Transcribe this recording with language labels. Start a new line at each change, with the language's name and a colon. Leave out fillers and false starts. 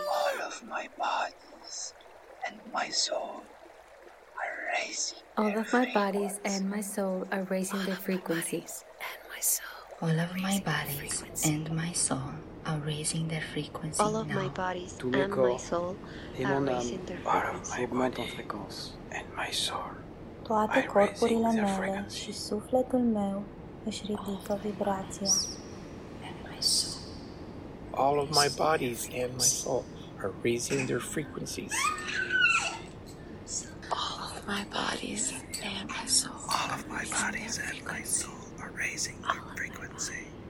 English: All of my bodies and my soul are raising. All of my bodies and my soul are raising their frequency. All of my bodies and my soul are raising their frequency now. All of my bodies and my soul are raising their frequency.
Romanian: Toate corpurile mele și sufletul meu își ridică vibrația.
English: All of my bodies and my soul are raising their frequencies. All of my bodies and my soul. All of my bodies and my soul. Raising their frequency.